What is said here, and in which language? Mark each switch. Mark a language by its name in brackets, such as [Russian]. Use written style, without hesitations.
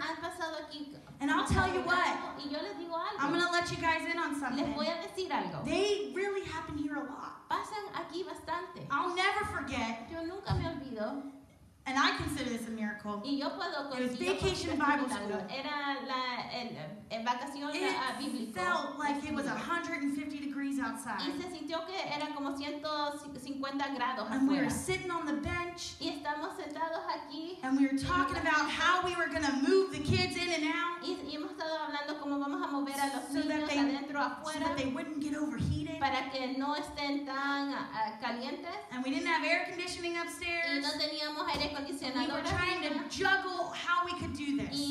[Spanish] Han pasado aquí. [English] And I'll tell you what. [Spanish] Y yo les digo algo. [English] I'm going to let you guys in on something. [Spanish] Les voy a decir algo. [English] They really happen here a lot. [Spanish] Pasan aquí bastante. [English] I'll never forget. [Spanish] Yo nunca me olvido. [English] And I consider this a miracle. [Spanish] Y yo puedo [English] it was vacation Bible school. [Spanish] Era la vacación bíblico. [English] It felt like it was 150 degrees outside. [Spanish] Y se sintió que era como 150 grados afuera. [English] And we were sitting on the bench. [Spanish] Y estamos sentados aquí. [English] And we were talking about how we were going to move the kids in and out. [Spanish] Y hemos estado hablando cómo vamos a mover a los [English] so [Spanish] niños [English] they, [Spanish] adentro afuera. [English] So that they wouldn't get overheated. [Spanish] Para que no estén tan calientes. [English] And we didn't have air conditioning upstairs. [Spanish] Y no teníamos aire. [English] We were trying to juggle how we could do this.